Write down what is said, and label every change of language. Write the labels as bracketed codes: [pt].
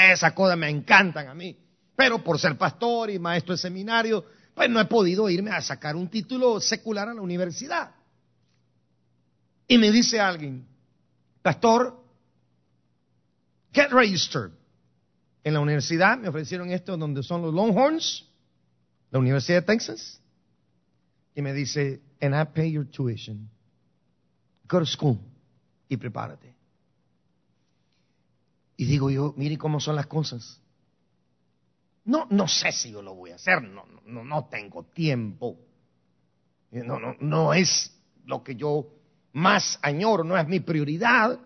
[es] Esas cosas me encantan a mí. Pero por ser pastor y maestro de seminario, pues no he podido irme a sacar un título secular a la universidad. Y me dice alguien, pastor, [en] get registered. [es] En la universidad me ofrecieron esto donde son los Longhorns, la Universidad de Texas. Y me dice, [en] and I pay your tuition. Go to school [es] y prepárate. Y digo yo, mire cómo son las cosas. No sé si yo lo voy a hacer, no tengo tiempo. No es lo que yo más añoro, no es mi prioridad.